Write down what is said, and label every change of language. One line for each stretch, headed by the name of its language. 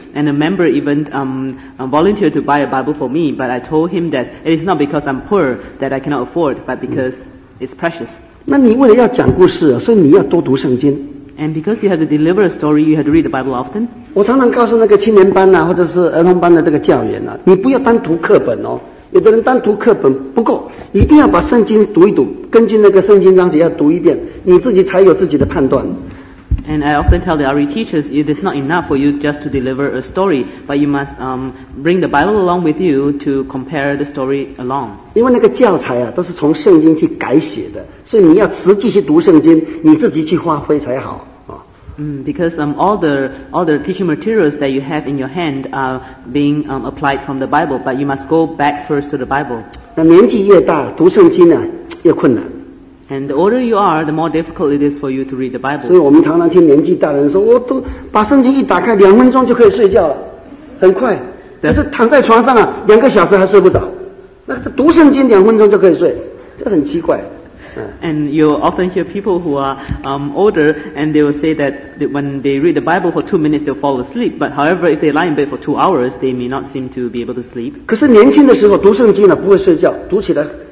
English: And a member even volunteered to buy a Bible for me, but I told him that it is not because I'm poor that I cannot afford, but because it's precious.
Chinese: 那你为了要讲故事，所以你要多读圣经。
English: And because you have to deliver a story, you have to read the Bible often.
Chinese: 我常常告诉那个青年班啊，或者是儿童班的这个教员啊，你不要单读课本哦。有的人单读课本不够，一定要把圣经读一读，根据那个圣经章节要读一遍，你自己才有自己的判断。
English: And I often tell the RE teachers, it is not enough for you just to deliver a story, but you must bring the Bible along with you to compare the story along.
Chinese: 因为那个教材啊，都是从圣经去改写的，所以你要实际去读圣经，你自己去发挥才好。
English: Because all the teaching materials that you have in your hand are being applied from the Bible, but you must go back first to the Bible.
Chinese: 那年纪越大，读圣经呢，越困难。
English: And the older you are, the more difficult it is for you to read the Bible.
Chinese: 所以我们常常听年纪大的人说，我都把圣经一打开，两分钟就可以睡觉了，很快。但是躺在床上啊，两个小时还睡不着。那个读圣经两分钟就可以睡，这很奇怪。
English: And you often hear people who are older, and they will say that when they read the Bible for 2 minutes, they'll fall asleep. But however, if they lie in bed for 2 hours, they may not seem to be able to sleep.
Chinese: 可是年轻的时候读圣经呢，不会睡觉，读起来。